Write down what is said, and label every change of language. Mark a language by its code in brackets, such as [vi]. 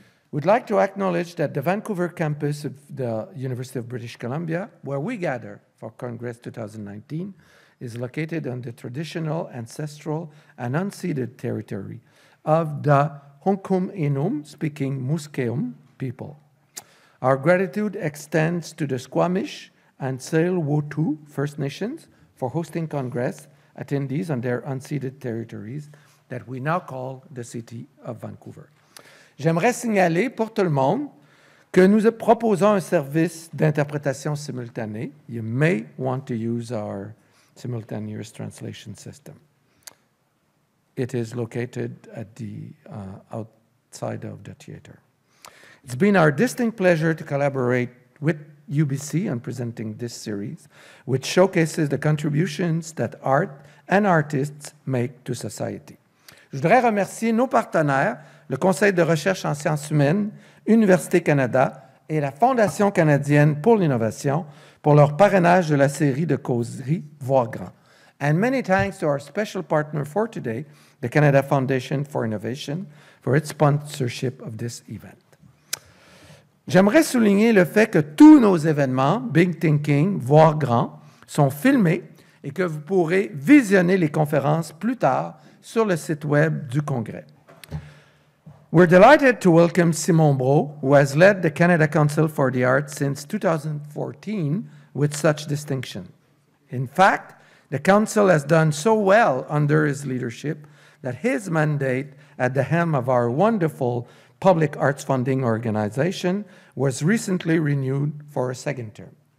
[en] We'd like to acknowledge that the Vancouver campus of the University of British Columbia, where we gather for Congress 2019, is located on the traditional, ancestral, and unceded territory of the Hunkum Inum, speaking Musqueam people. Our gratitude extends to the Squamish and Tsleil-Waututh First Nations for hosting Congress attendees on their unceded territories that we now call the City of Vancouver. [fr] J'aimerais signaler pour tout le monde que nous proposons un service d'interprétation simultanée. [en] You may want to use our simultaneous translation system. It is located at the outside of the theater. It's been our distinct pleasure to collaborate with UBC on presenting this series, which showcases the contributions that art and artists make to society. [fr] Je voudrais remercier nos partenaires, le Conseil de recherche en sciences humaines, Université Canada et la Fondation canadienne pour l'innovation pour leur parrainage de la série de causeries Voir Grand. [en] And many thanks to our special partner for today, the Canada Foundation for Innovation, for its sponsorship of this event. [fr] J'aimerais souligner le fait que tous nos événements, Big Thinking, Voir Grand, sont filmés et que vous pourrez visionner les conférences plus tard sur le site web du Congrès. [en] We're delighted to welcome Simon Brault, who has led the Canada Council for the Arts since 2014 with such distinction. In fact, the Council has done so well under his leadership that his mandate at the helm of our wonderful public arts funding organization was recently renewed for a second term.